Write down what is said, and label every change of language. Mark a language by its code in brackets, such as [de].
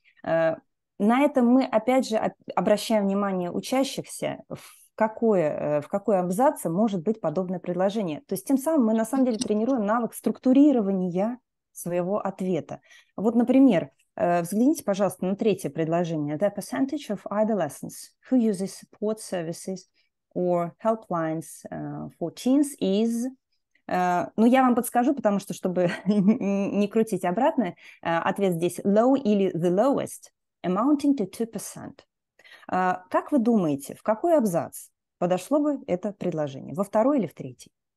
[ru] На этом мы опять же обращаем внимание учащихся в какой абзац может быть подобное предложение. То есть тем самым мы на самом деле тренируем навык структурирования своего ответа. Вот, например, взгляните, пожалуйста, на третье предложение. [en] The percentage of adolescents who uses support services or helplines for teens is... [ru] ну, я вам подскажу, потому что, чтобы не крутить обратно, ответ здесь low или [en] the lowest, amounting to 2%. [ru] Как вы думаете, в какой абзац подошло бы это предложение? Во второй или в третий?